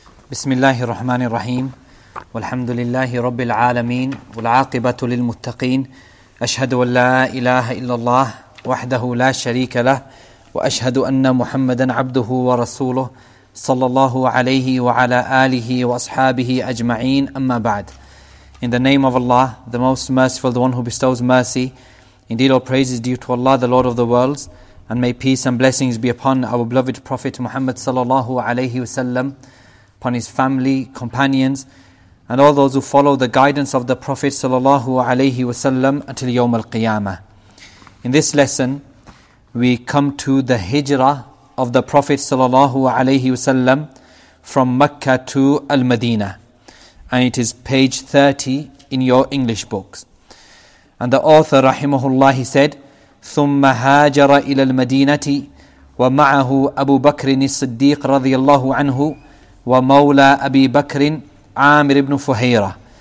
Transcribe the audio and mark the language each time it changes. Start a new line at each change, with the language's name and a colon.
Arabic: بسم الله الرحمن الرحيم والحمد لله رب العالمين والعاقبة للمتقين أشهد أن لا إله إلا الله وحده لا شريك له وأشهد أن محمدا عبده ورسوله صلى الله عليه وعلى آله وأصحابه أجمعين أما بعد.
English: In the name of Allah, the most merciful, the one who bestows mercy, indeed all praise is due to Allah, the Lord of the worlds, and may peace and blessings be upon our beloved Prophet Muhammad sallallahu alayhi wa sallam, upon his family, companions, and all those who follow the guidance of the Prophet sallallahu alayhi wa sallam until yawm al-qiyamah. In this lesson, we come to the hijrah of the Prophet sallallahu alayhi wa sallam from Mecca to al-Madinah. And it is page 30 in your English books. And the author, rahimahullah, he said,
Arabic: ثُمَّ هَاجَرَ إِلَى الْمَدِينَةِ وَمَعَهُ أَبُو بَكْرٍ الصِّدِّيقِ رَضِيَ اللَّهُ عَنْهُ وَمَوْلَى أَبِي بَكْرٍ عَامِرِ بْنُ فُهَيْرَةٍ.